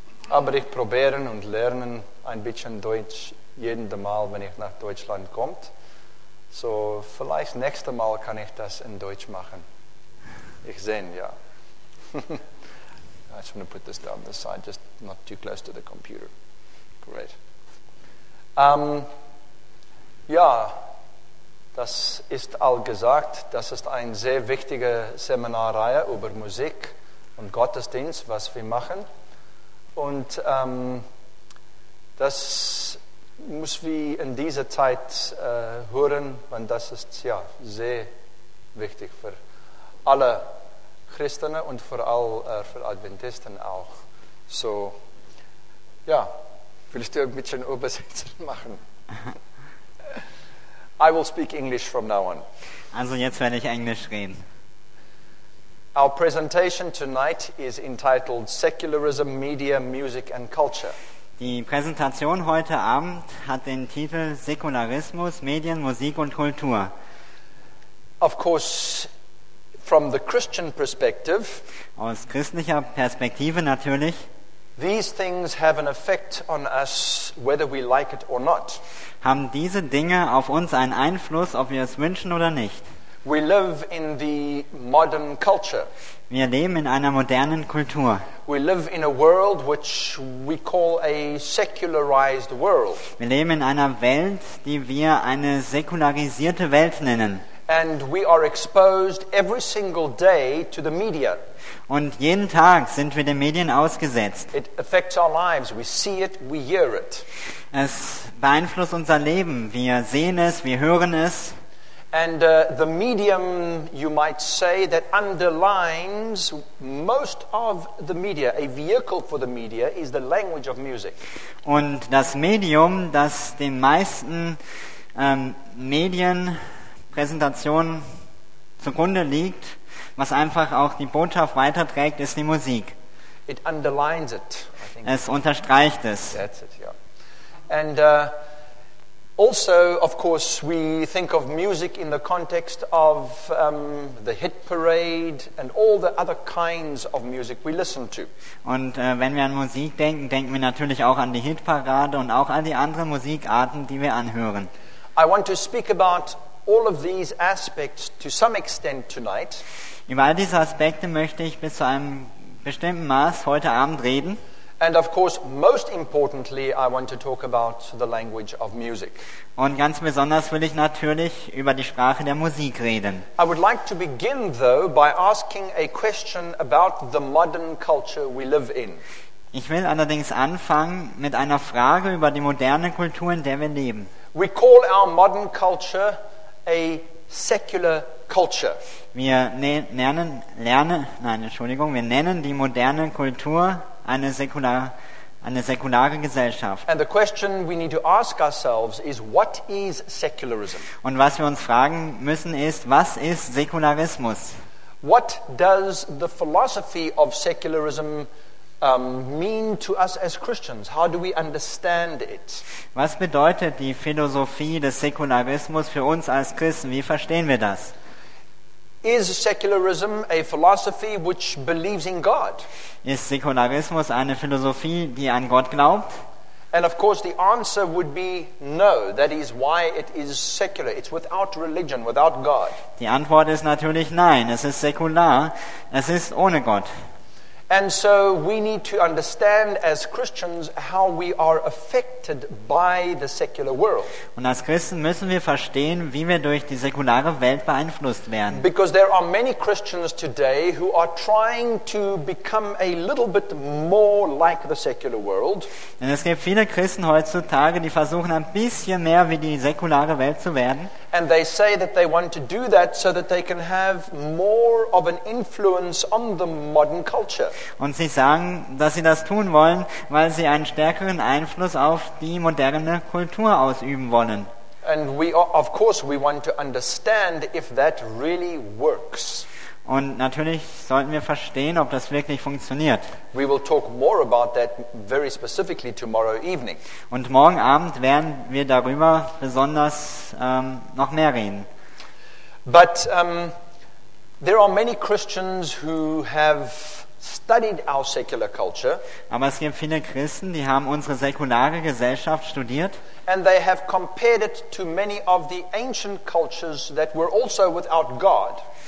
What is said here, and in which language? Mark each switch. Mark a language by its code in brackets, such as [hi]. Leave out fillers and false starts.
[de] Aber ich probiere und lerne ein bisschen Deutsch jeden Mal, wenn ich nach Deutschland komme. So, vielleicht nächstes Mal kann ich das in Deutsch machen. Ich sehe, ja. [en] I just want to put this down this side, just not too close to the computer. Great. [de] Ja, das ist all gesagt. Das ist eine sehr wichtige Seminarreihe über Musik und Gottesdienst, was wir machen. Und das muss wie in dieser Zeit hören, weil das ist ja sehr wichtig für alle Christen und vor allem für Adventisten auch. So, ja, willst du ein bisschen Übersetzung machen? [en] I will speak English from now on. [de] Also jetzt werde ich Englisch reden. [en] Our presentation tonight is entitled Secularism, Media, Music and Culture. [de] Die Präsentation heute Abend hat den Titel Säkularismus, Medien, Musik und Kultur. [en] Of course, from the Christian perspective, [de] aus christlicher Perspektive natürlich, [en] these things have an effect on us whether we like it or not. [de] Haben diese Dinge auf uns einen Einfluss, ob wir es wünschen oder nicht? [en] We live in the modern culture. [de] Wir leben in einer modernen Kultur. [en] We live in a world which we call a secularized world. [de] Wir leben in einer Welt, die wir eine säkularisierte Welt nennen. [en] And we are exposed every single day to the media. [de] Und jeden Tag sind wir den Medien ausgesetzt. [en] It affects our lives. We see it, we hear it. [de] Es beeinflusst unser Leben. Wir sehen es, wir hören es. [en] And the medium, you might say, that underlines most of the media, a vehicle for the media, is the language of music. [de] Und das Medium, das den meisten Medien Präsentation zugrunde liegt, was einfach auch die Botschaft weiterträgt, ist die Musik. [en] It underlines it, I think. [de] Es unterstreicht es. [en] That's it, yeah. And also, of course, we think of music in the context of the hit parade and all the other kinds of music we listen to. [de] Und wenn wir an Musik denken, denken wir natürlich auch an die Hitparade und auch an die anderen Musikarten, die wir anhören. [en] I want to speak about all of these aspects to some extent tonight. [de] Über all diese Aspekte möchte ich bis zu einem bestimmten Maß heute Abend reden. [en] And of course, most importantly, I want to talk about the language of music. [de] Und ganz besonders will ich natürlich über die Sprache der Musik reden. [en] I would like to begin though by asking a question about the modern culture we live in. [de] Ich will allerdings anfangen mit einer Frage über die moderne Kultur, in der wir leben. [en] We call our modern culture a secular culture. [de] Wir nennen die moderne Kultur eine säkulare Gesellschaft. [en] And the question we need to ask ourselves is, what is secularism? Und was wir uns fragen müssen ist, was ist Säkularismus? What does the philosophy of secularism mean to us as Christians? How do we understand it? [de] Was bedeutet die Philosophie des Säkularismus für uns als Christen? Wie verstehen wir das? [en] Is secularism a philosophy which believes in God? [de] Ist Säkularismus eine Philosophie, die an Gott glaubt? [en] And of course the answer would be no. That is why it is secular. It's without religion, without God. [de] Die Antwort ist natürlich nein. Es ist säkular. Es ist ohne Gott. [en] And so we need to understand as Christians how we are affected by the secular world. [de] Und als Christen müssen wir verstehen, wie wir durch die säkulare Welt beeinflusst werden. [en] Because there are many Christians today who are trying to become a little bit more like the secular world. [de] Denn es gibt viele Christen heutzutage, die versuchen ein bisschen mehr wie die säkulare Welt zu werden. [en] And they say that they want to do that so that they can have more of an influence on the modern culture. [de] Und sie sagen, dass sie das tun wollen, weil sie einen stärkeren Einfluss auf die moderne Kultur ausüben wollen. [en] And we are, of course we want to understand if that really works. [de] Und natürlich sollten wir verstehen, ob das wirklich funktioniert. [en] We will talk more about that very specifically tomorrow evening. [de] Und morgen Abend werden wir darüber besonders noch mehr reden. [en] But there are many Christians who have studied our secular culture. [de] Aber es gibt viele Christen, die haben unsere säkulare Gesellschaft studiert. [en] And they have compared it to many of the ancient cultures that were also without God.